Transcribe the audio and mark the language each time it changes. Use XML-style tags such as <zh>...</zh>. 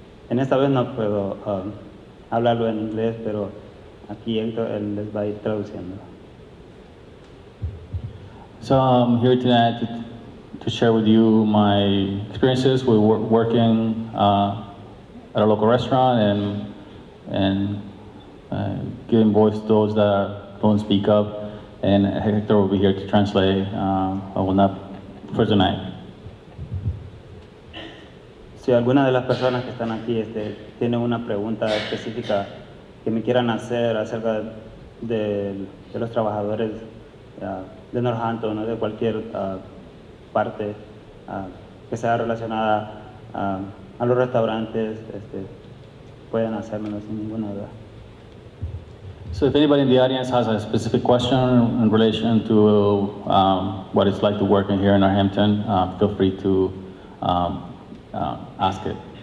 <es>En esta vez no puedo hablarlo en inglés, pero aquí él les va a ir traduciendo.</es> <en>So I'm here tonight to share with you my experiences with working at a local restaurant and giving voice to those that don't speak up, and Hector will be here to translate. I will not for tonight.</en> <es>Si alguna de las personas que están aquí tiene una pregunta específica que me quieran hacer acerca de los trabajadores de Northampton, no de cualquier parte que sea relacionada a los restaurantes, pueden hacérmelo sin ninguna duda.</es> <en>So if anybody in the audience has a specific question in relation to what it's like to work in here in Northampton, feel free to ask it.</en>